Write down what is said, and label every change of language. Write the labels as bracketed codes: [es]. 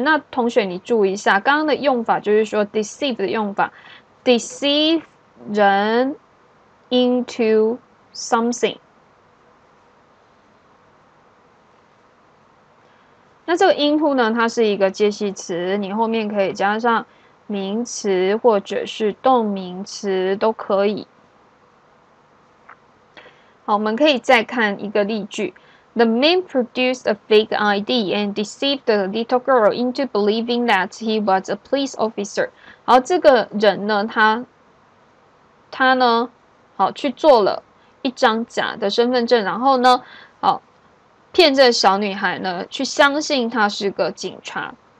[zh] 那同学你注意一下，刚刚的用法就是说 deceive 的用法 ，deceive 人 into something。那这个 into 呢，它是一个介系词，你后面可以加上名词或者是动名词都可以。好，我们可以再看一个例句 [en] ：The man produced a fake ID and deceived the little girl into believing that he was a police officer。 [zh] 好，这个人呢，他呢，好去做了一张假的身份证，然后呢，好骗这小女孩呢去相信她是个警察。